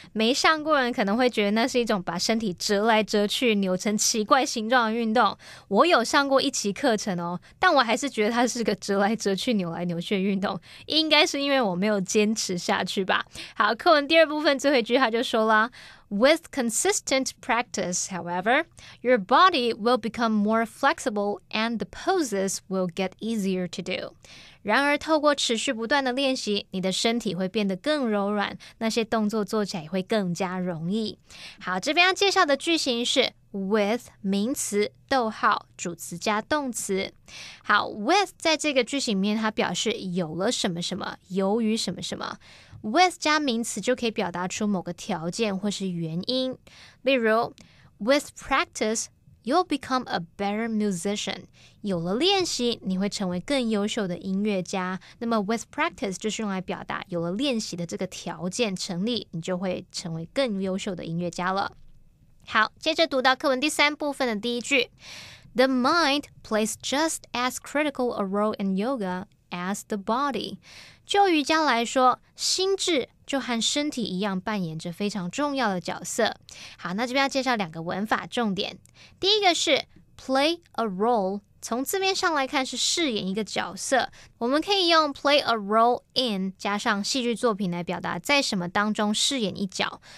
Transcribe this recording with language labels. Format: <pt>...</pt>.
<zh>没上过人可能会觉得那是一种把身体折来折去、扭成奇怪形状的运动。我有上过一期课程哦，但我还是觉得它是个折来折去、扭来扭去的运动，应该是因为我没有坚持下去吧。好，课文第二部分最后一句话就说了</zh> <en>：With consistent practice, however, your body will become more flexible and the poses will get easier to do.</en> <zh>然而透过持续不断的练习，你的身体会变得更柔软，那些动作做起来会更加容易。好，这边要介绍的句型是 with 名词逗号主词加动词。好， with 在这个句型里面它表示有了什么什么，由于什么什么。 with 加名词就可以表达出某个条件或是原因。例如</zh> <en>with practiceYou'll become a better musician.</en> <zh>有了练习，你会成为更优秀的音乐家。那么 with practice 就是用来表达有了练习的这个条件成立，你就会成为更优秀的音乐家了。好，接着读到课文第三部分的第一句。</zh> <en>The mind plays just as critical a role in yoga as the body.</en> <zh>就瑜伽来说，心智就和身体一样扮演着非常重要的角色。好，那这边要介绍两个文法重点。第一个是 play a role， 从字面上来看是饰演一个角色。我们可以用 play a role in 加上戏剧作品来表达在什么当中饰演一角。</zh>